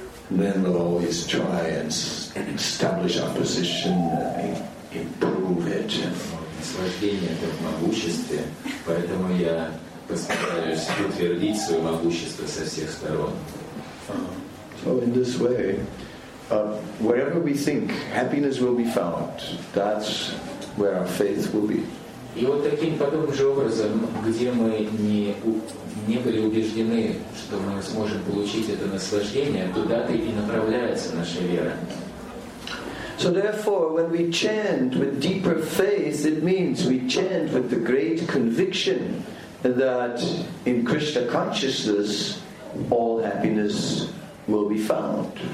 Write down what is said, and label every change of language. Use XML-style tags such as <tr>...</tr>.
<en>Then we'll always try and establish our position and improve it.</en> <ru>Наслаждение – это в могуществе, поэтому я постараюсь утвердить свое могущество со всех сторон.</ru> <en>Oh, in this way, wherever we think happiness will be found, that's where our faith will be.</en> <ru>И вот таким подобным же образом, где мы не были убеждены, что мы сможем получить это наслаждение, туда-то и направляется наша вера.</ru> <en>So therefore, when we chant with deeper faith, it means we chant with the great conviction that in Krishna consciousness all happiness will be found.</en>